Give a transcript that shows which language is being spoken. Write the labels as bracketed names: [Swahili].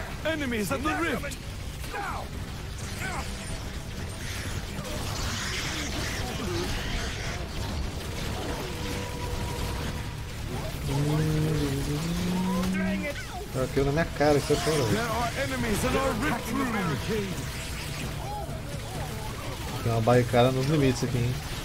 [English] Enemies at the rift! [Portuguese] Ah, caiu na minha cara, isso é foda. [English] There are enemies at our rift room! [Portuguese] Tem uma barricada nos limites aqui, hein?